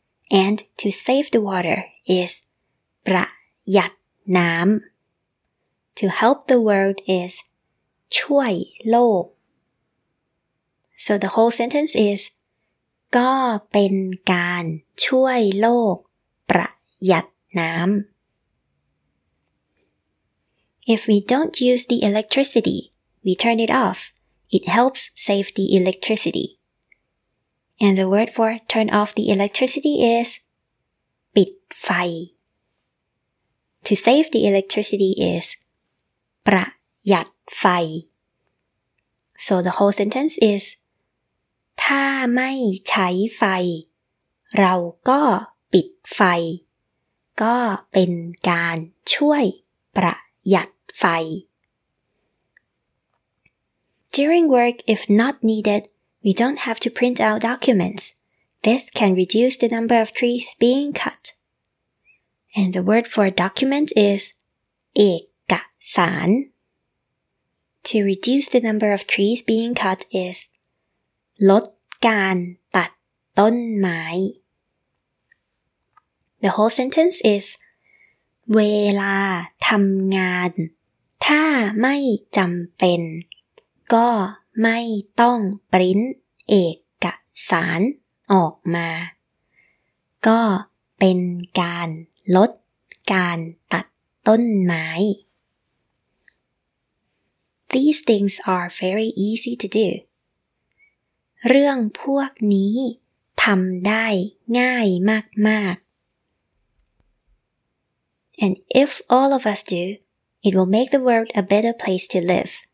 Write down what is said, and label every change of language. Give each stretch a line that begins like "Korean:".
English: And to save the water is ประหยัดน้ำ To help the world is ช่วยโลก So the whole sentence is
Thai: ก็เป็นการช่วยโลกประหยัดน้ำ
English: If we don't use the electricity, we turn it off. It helps save the electricity. And the word for turn off the electricity is bitfai. To save the electricity is prayatfai. So the whole sentence is
Thai: ถ้าไม่ใช้ไฟ เราก็ปิดไฟ ก็เป็นการช่วยประหยัดไฟ
English: During work, if not needed, we don't have to print out documents. This can reduce the number of trees being cut. And the word for document is เอกสาร To reduce the number of trees being cut is
Thai: ลดการตัดต้นไม้
English: The whole sentence is
Thai: เวลาทำงานถ้าไม่จำเป็นก็ไม่ต้องปริ้นเอกสารออกมาก็เป็นการลดการตัดต้นไม้
English: These things are very easy to do.
Thai: เรื่องพวกนี้ทำได้ง่ายมากๆ
English: And if all of us do, it will make the world a better place to live.